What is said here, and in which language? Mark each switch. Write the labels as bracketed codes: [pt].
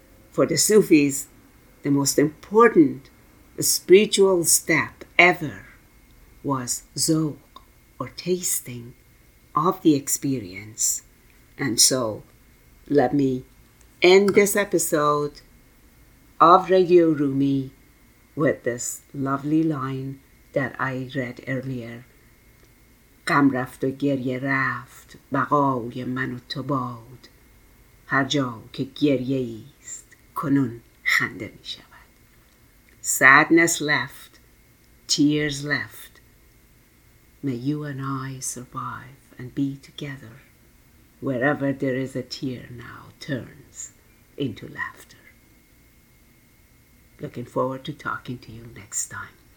[en] For the Sufis, the most important spiritual step ever was zawq, or tasting of the experience. And so let me end this episode of Radio Rumi with this lovely line that I read earlier. [fa] غم رفت و گریه رفت بقای من و تو باد هر جا که گریه ایست کنون خنده می شود. [en] Sadness left, tears left. May you and I survive and be together wherever there is a tear now turns into laughter. Looking forward to talking to you next time.